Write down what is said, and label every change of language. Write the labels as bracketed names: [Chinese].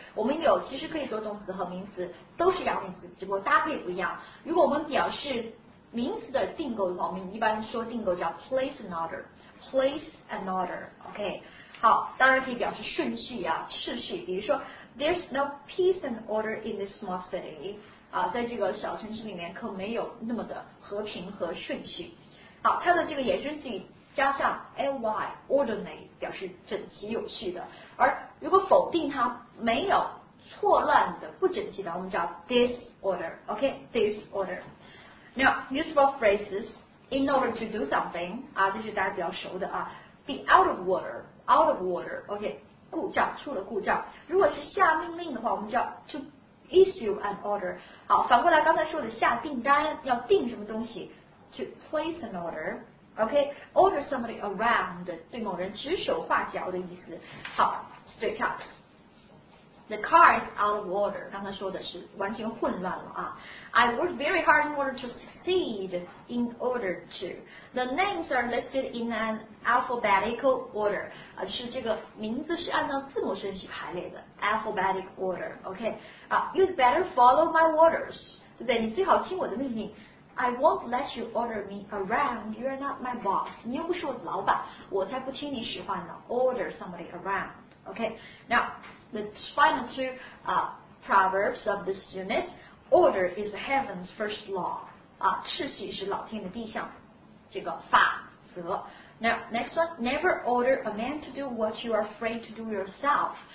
[Chinese] 我们有其实可以做动词和名词，都是要名词，只不过搭配不一样。如果我们表示名词的订购的话，我们一般说订购叫 [English] place an order, place an order. [Chinese] OK, 好，当然可以表示顺序啊，次序。比如说 [English] ，There's no peace and order in this small city. [Chinese] 啊，在这个小城市里面可没有那么的和平和顺序。好，它的这个衍生句加上 ly orderly 表示整齐有序的，而如果否定它没有错乱的不整齐的，我们叫 disorder， OK， disorder。 [English] Now useful phrases in order to do something [Chinese] 啊，这是大家比较熟的啊， [English] be out of order， out of order， OK， [Chinese] 故障，出了故障。如果是下命令的话，我们叫 [English] to issue an order。 [Chinese] 好，反过来刚才说的下订单要订什么东西， [English] To place an order, okay? Order somebody around, [Chinese] 对某人指手画脚的意思。 [English] 好 ,straight up. The car is out of order. [Chinese] 刚才说的是完全混乱了啊。 [English] I worked very hard in order to succeed in order to. The names are listed in an alphabetical order. [Chinese] 就是这个名字是按照字母顺序排列的 , [English] alphabetic order, okay? You'd better follow my orders. [Chinese] 对不对，你最好听我的命令。 [English] I won't let you order me around. You're not my boss. [Chinese] 你又不是我的老板，我才不听你使唤呢。 [English] Order somebody around. Okay. Now, the final two proverbs of this unit. Order is heaven's first law. [Chinese] 啊，秩序是老天的第一项，这个法则。 [English] Now, next one. Never order a man to do what you are afraid to do yourself.